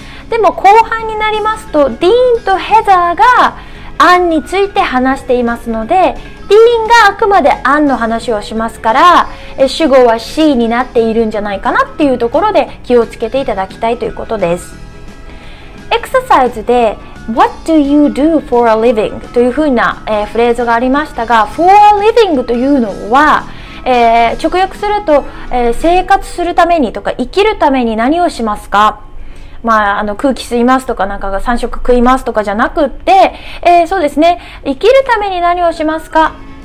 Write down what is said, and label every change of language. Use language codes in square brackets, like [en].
[ja] でも後半になりますと、ディーンとヘザーがアンについて話していますので、ディーンがあくまでアンの話をしますから、主語は C になっているんじゃないかなっていうところで気をつけていただきたいということです。エクササイズで、 [en] What do you do for a living? [ja] というふうな、フレーズがありましたが、For a living というのは、直訳すると、生活するためにとか生きるために何をしますか、まあ、空気吸いますとか、なんかが3食食いますとかじゃなくって、そうですね、生きるために何をしますか、